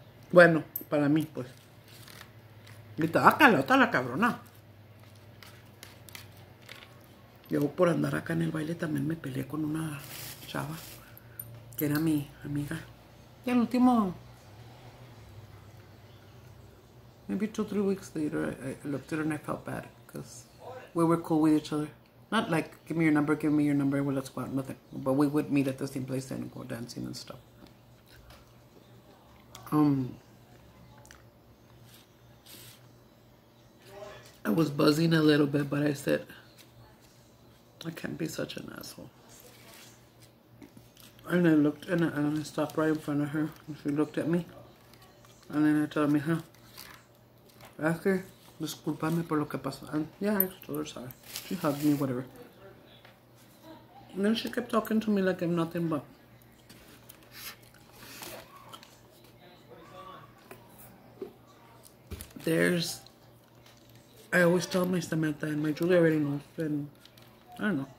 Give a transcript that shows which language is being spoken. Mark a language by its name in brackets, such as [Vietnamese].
[Spanish] Bueno, para mí, pues. Y está calota la cabrona. Yo por andar acá en el baile también me peleé con una chava que era mi amiga. Y al último... [English] Maybe 2-3 weeks later, I looked at her and I felt bad because we were cool with each other. Not like, give me your number, well, let's go out, nothing. But we would meet at the same place and go dancing and stuff. I was buzzing a little bit, but I said, I can't be such an asshole. And I looked and I stopped right in front of her and she looked at me. And then I told me, huh? [Spanish] After, disculpame por lo que pasó. [English] And yeah, I told her sorry. She hugged me, whatever. And then she kept talking to me like I'm nothing but. I always tell my Samantha and my Julie already knows. And I don't know.